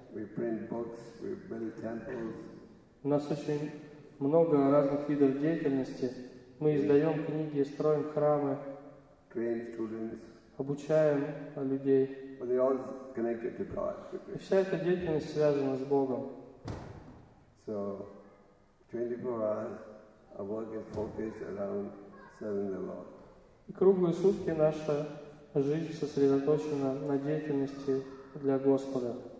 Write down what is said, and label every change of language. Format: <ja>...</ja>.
<en>We print books, we build temples.</en> <ru>У нас очень много разных видов деятельности. Мы издаем книги, строим храмы.</ru> <en>Train students.</en> <ru>Обучаем людей.</ru> <en>But they're all connected to God.</en> <ru>И вся эта деятельность связана с Богом.</ru> <en>So So 24 hours our work is focused around serving the Lord.</en> <ru>И круглые сутки наша жизнь сосредоточена на деятельности для Господа.</ru>